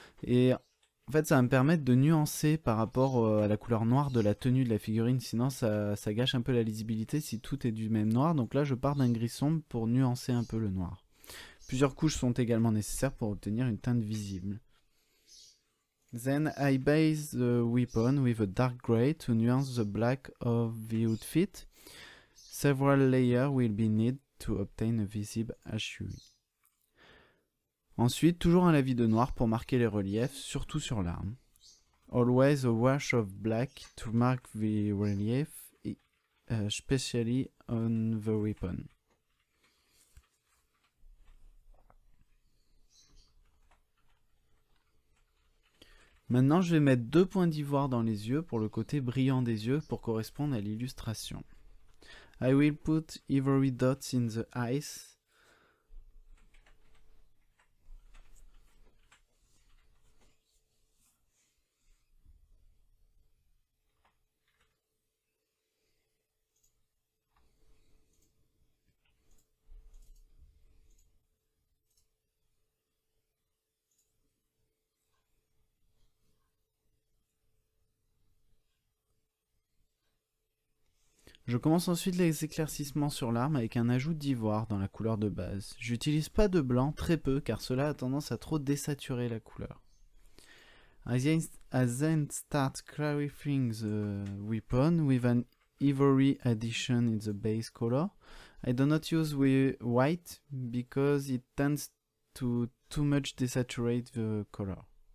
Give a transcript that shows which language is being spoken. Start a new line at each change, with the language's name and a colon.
French: Et en fait, ça va me permettre de nuancer par rapport à la couleur noire de la tenue de la figurine, sinon ça gâche un peu la lisibilité si tout est du même noir. Donc là, je pars d'un gris sombre pour nuancer un peu le noir. Plusieurs couches sont également nécessaires pour obtenir une teinte visible.
English: Then I base the weapon with a dark gray to nuance the black of the outfit. Several layers will be needed to obtain a visible hachure.
French: Ensuite, toujours un lavis de noir pour marquer les reliefs, surtout sur l'arme.
English: Always a wash of black to mark the relief, especially on the weapon.
French: Maintenant, je vais mettre deux points d'ivoire dans les yeux pour le côté brillant des yeux pour correspondre à l'illustration.
English: I will put ivory dots in the eyes.
French: Je commence ensuite les éclaircissements sur l'arme avec un ajout d'ivoire dans la couleur de base. J'utilise pas de blanc, très peu, car cela a tendance à trop désaturer la couleur.
English: I then start clarifying the weapon with an ivory addition in the base color. I do not use white because it tends to too much desaturate the color.